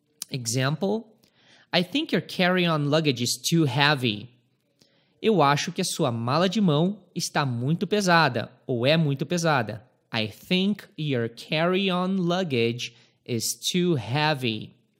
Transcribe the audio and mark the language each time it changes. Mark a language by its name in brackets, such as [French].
[English] Example, I think your carry-on luggage is too heavy. [Portuguese] Eu acho que a sua mala de mão está muito pesada, ou é muito pesada. [English] I think your carry-on luggage is too heavy.